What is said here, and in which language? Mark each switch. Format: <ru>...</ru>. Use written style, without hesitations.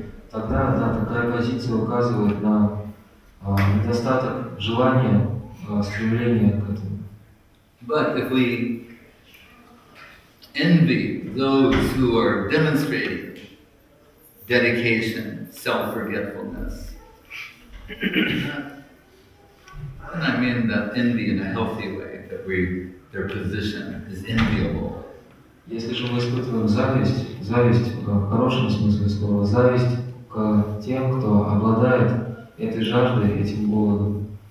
<ru>Тогда да, такая позиция указывает на недостаток желания, стремления к этому.</ru> <en>But if we envy those who are demonstrating dedication, self-forgetfulness, and I mean that envy in a healthy way, that we their position is enviable.</en> <ru>Если же мы испытываем зависть, зависть в хорошем смысле слова, зависть к тем, кто обладает этой жаждой, этим голодом.</ru>